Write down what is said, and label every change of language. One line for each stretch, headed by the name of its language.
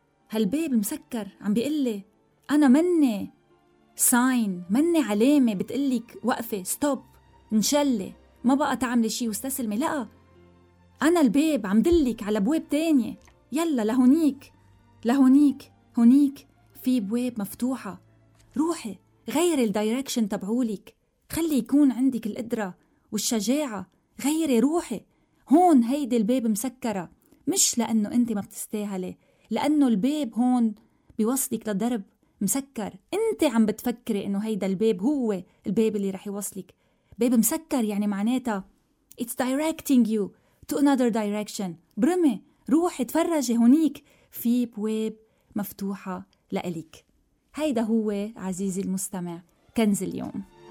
Arabic: هالباب مسكر عم بيقلي انا مني ساين، مني علامه بتقلك وقفه ستوب انشلي ما بقى تعملي شي واستسلمي، لا انا الباب عم دلك على بواب تانية، يلا لهنيك هنيك في بواب مفتوحه، روحي غيري الدايركشن تبعولك، خلي يكون عندك القدرة والشجاعة، غيري روحي. هون هيدي الباب مسكرة، مش لأنه أنت ما بتستاهلي، لأنه الباب هون بيوصلك لدرب مسكر. أنت عم بتفكري أنه هيدا الباب هو الباب اللي رح يوصلك. باب مسكر يعني معناتها
English: It's directing you to another direction.
Arabic: برمي روحي تفرجي هونيك في بواب مفتوحة لإلك. هيدا هو عزيزي المستمع كنز اليوم.